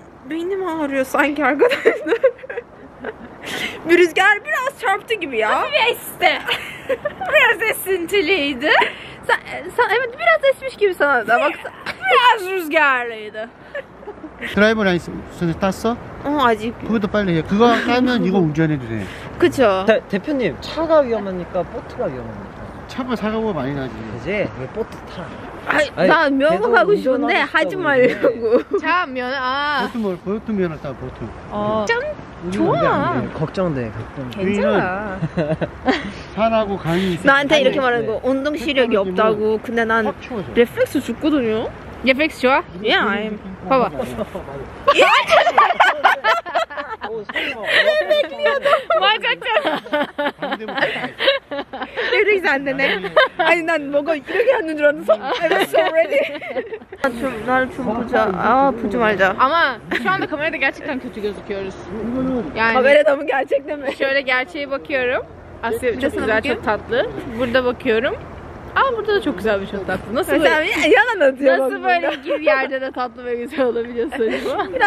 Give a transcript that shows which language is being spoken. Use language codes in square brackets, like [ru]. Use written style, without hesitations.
[tr] Beynim ağrıyor sanki arkadaşlar. Bir rüzgar biraz çarptı gibi ya. Bir esti. Biraz esintiliydi. Sen evet biraz esmiş gibi sana da. Bak, biraz rüzgarlıydı. [en] Driver license [ko] 땄어? 어, 아직. 그것도 빨리 해. 그거 하면 이거 운전해도 돼. 그쵸. 대표님, 차가 위험하니까 보트가 위험하니까. 차가 사고가 많이 나지. 그지? 왜 보트 타? 아니, 나 면허 가고 싶은데 하지 말라고. 차 면허, 아. 보트 면허 따, 보트. 어. 짠! 좋아! 걱정돼, 괜찮아. 산하고 강이 있어. 나한테 이렇게 말하는 거, 운동 시력이 없다고. 근데 난 레플렉스 죽거든요. 레플렉스 좋아? [en] Yeah, I'm. [ko] 봐봐. 예! 레벨리아도 맞았잖아. 근데 이제 안 되네. 아니 난 뭐가 이렇게 하는 줄 알았어. [en] I'm so ready. [ko] 나를 좀 보자. 아 보지 말자. [tr] 아마 şu anda kamerada gerçekten kötü gözüküyoruz. [ko] 이거는 [tr] kamerada mı gerçekten mi? Şöyle gerçeğe bakıyorum. Asya çok güzel, çok tatlı. Burada bakıyorum. Aa burada da çok güzel bir şey tatlı. Nasıl böyle? Yalan atıyorum. Nasıl böyle gibi yerde de tatlı ve güzel olabiliyorsun acaba?